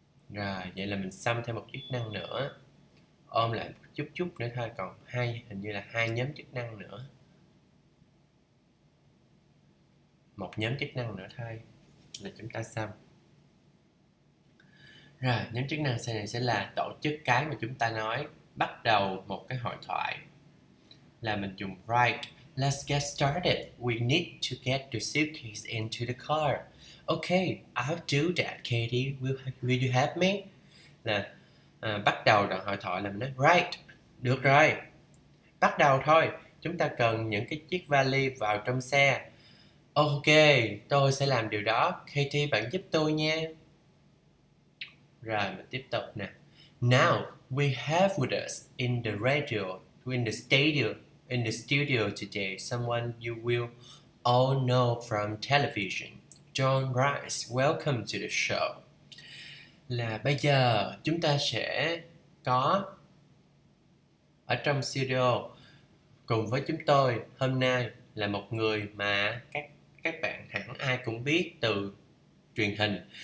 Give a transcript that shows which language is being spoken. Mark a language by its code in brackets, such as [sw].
[vi] Rồi, vậy là mình xong thêm một chức năng nữa. Ôm lại một chút chút nữa thôi, còn hai hình như là hai nhóm chức năng nữa. Một nhóm chức năng nữa thôi là chúng ta xong. Rồi, nhóm chức năng sau này sẽ là tổ chức cái mà chúng ta nói, bắt đầu một cái hội thoại. Là mình dùng [en] write. Let's get started. We need to get the suitcase into the car. Okay, I'll do that, Katie. Will you help me? [vi] Là bắt đầu đoạn hội thoại là mình nói right. Được rồi. Bắt đầu thôi. Chúng ta cần những cái chiếc vali vào trong xe. Ok, tôi sẽ làm điều đó. Katie, bạn giúp tôi nha. Rồi, mình tiếp tục nè. [en] Now, we have with us in the radio, in the studio today, someone you will all know from television. John Rice, welcome to the show. [vi] Là bây giờ chúng ta sẽ có ở trong studio cùng với chúng tôi hôm nay là một người mà các bạn hẳn ai cũng biết từ truyền hình.